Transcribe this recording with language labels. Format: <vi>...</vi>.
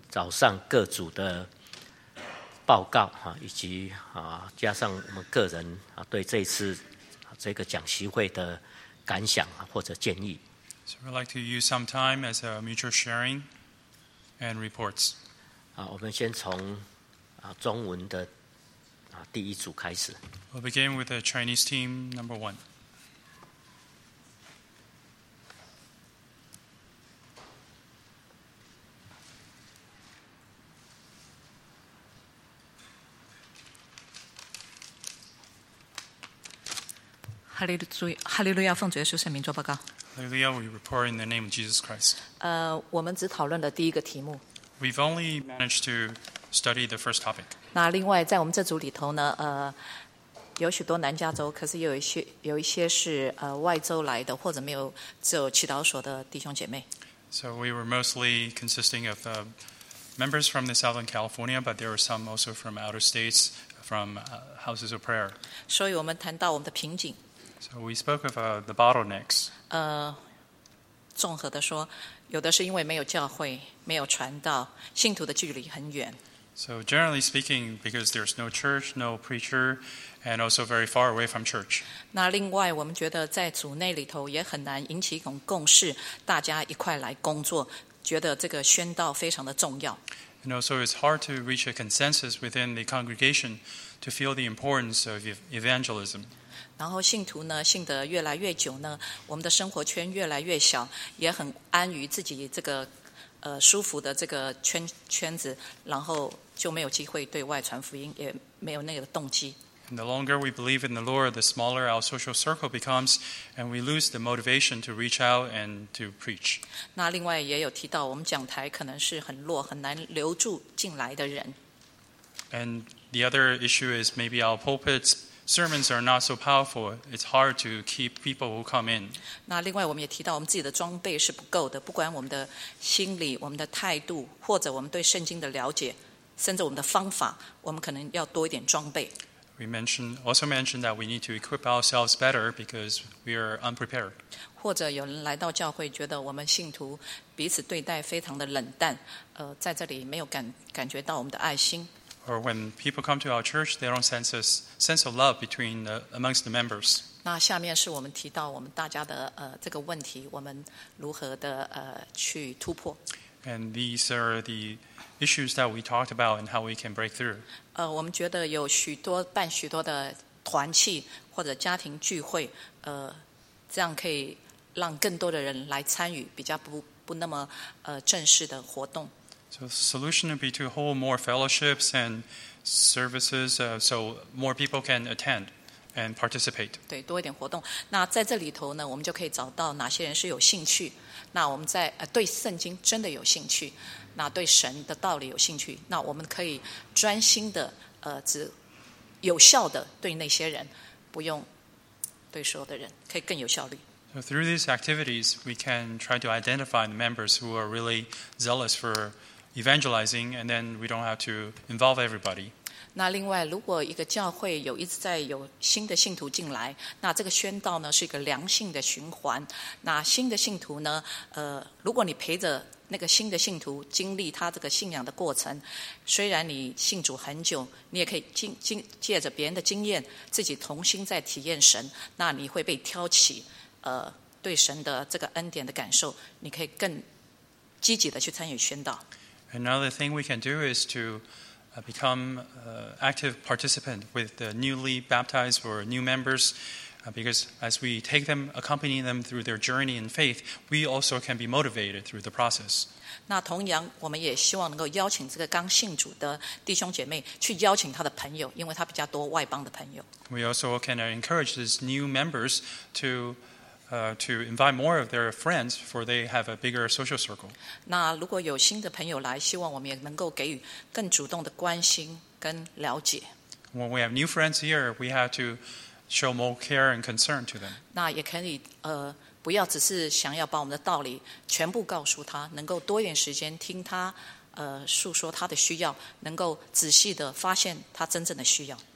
<zh>早上各组的报告以及加上我们个人对这一次这个讲习会的感想或者建议。</zh> <en>So we'd like to use some time as a mutual sharing and reports.</en> <zh>我们先从中文的第一组开始。</zh> <en>We'll begin with the Chinese team number one.</en> <zh>哈利路亚，奉主耶稣圣名做报告。</zh> <en>Hallelujah, we report in the name of Jesus Christ.</en> <zh>我们只讨论了第一个题目。</zh> <en>We've only managed to study the first topic.</en> <zh>那另外在我们这组里头呢，有许多南加州，可是有一些是外州来的，或者没有只有祈祷所的弟兄姐妹。</zh> <en>So we were mostly consisting of members from the Southern California, but there were some also from outer states, from houses of prayer.</en> <zh>所以我们谈到我们的瓶颈。</zh> <en>So we spoke of the bottlenecks.</en> <zh>综合的说，有的是因为没有教会，没有传道，信徒的距离很远。</zh> <en>So generally speaking, because there's no church, no preacher, and also very far away from church.</en> <zh>那另外，我们觉得在组内里头也很难引起一种共识，大家一块来工作，觉得这个宣道非常的重要。</zh> <en>And also, it's hard to reach a consensus within the congregation to feel the importance of evangelism.</en> <zh>然后信徒呢，信得越来越久呢，我们的生活圈越来越小，也很安于自己这个舒服的这个圈子，然后就没有机会对外传福音，也没有那个动机。</zh> <en>And the longer we believe in the Lord, the smaller our social circle becomes, and we lose the motivation to reach out and to preach.</en> <zh>那另外也有提到，我们讲台可能是很弱，很难留住进来的人。</zh> <en>And the other issue is maybe our pulpits. Sermons are not so powerful. It's hard to keep people who come in.</en> <zh>那另外我们也提到我们自己的装备是不够的，不管我们的心理、我们的态度，或者我们对圣经的了解，甚至我们的方法，我们可能要多一点装备。</zh> <en>We also mentioned that we need to equip ourselves better because we are unprepared.</en> <zh>或者有人来到教会，觉得我们信徒彼此对待非常的冷淡，在这里没有感觉到我们的爱心。</zh> <en>Or when people come to our church, they don't sense a sense of love between amongst the members.</en> <zh>那下面是我们提到我们大家的这个问题，我们如何的去突破。</zh> <en>And these are the issues that we talked about and how we can break through.</en> <zh>我们觉得有许多办许多的团契或者家庭聚会，这样可以让更多的人来参与比较不那么正式的活动。</zh> <en>So the solution would be to hold more fellowships and services, so more people can attend and participate.</en> <zh>对，多一点活动。那在这里头呢，我们就可以找到哪些人是有兴趣。那我们在对圣经真的有兴趣，那对神的道理有兴趣，那我们可以专心的只有效的对那些人，不用对所有的人，可以更有效率。</zh> <en>So through these activities, we can try to identify the members who are really zealous for. Evangelizing, and then we don't have to involve everybody.</en> <zh>那另外，如果一个教会有一直在有新的信徒进来，那这个宣道呢是一个良性的循环。那新的信徒呢，如果你陪着那个新的信徒经历他这个信仰的过程，虽然你信主很久，你也可以借着别人的经验，自己同心在体验神，那你会被挑起，对神的这个恩典的感受，你可以更积极的去参与宣道。</zh> <en>Another thing we can do is to become active participant with the newly baptized or new members, because as we take them, accompany them through their journey in faith, we also can be motivated through the process.</en> <zh>那同样，我们也希望能够邀请这个刚信主的弟兄姐妹去邀请他的朋友，因为他比较多外邦的朋友。</zh> <en>We also can encourage these new members to invite more of their friends, for they have a bigger social circle.</en> <zh>那如果有新的朋友来，希望我们也能够给予更主动的关心跟了解。</zh> <en>When we have new friends here, we have to show more care and concern to them.</en> <zh>那也可以不要只是想要把我们的道理全部告诉他，能够多一点时间听他诉说他的需要，能够仔细的发现他真正的需要。</zh>